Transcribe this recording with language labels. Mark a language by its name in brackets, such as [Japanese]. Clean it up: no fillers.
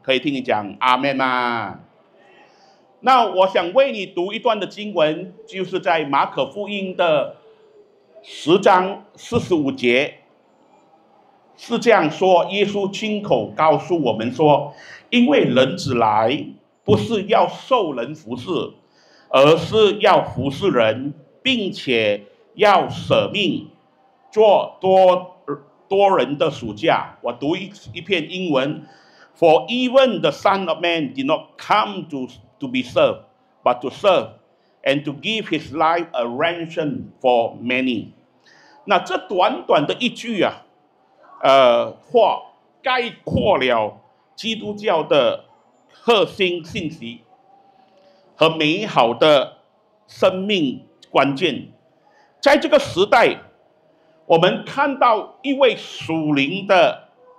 [Chinese] 可以听你讲阿们吗？那我想为你读一段的经文，就是在马可福音的10章45节，是这样说，耶稣亲口告诉我们说，因为人子来不是要受人服侍，而是要服侍人，并且要舍命做多人的赎价。我读一篇英文， [English] For even the Son of Man did not come to be served, but to serve, and to give his life a ransom for many. [Chinese] 那这短短的一句啊，话概括了基督教的核心信息和美好的生命关键。在这个时代，我们看到一位属灵的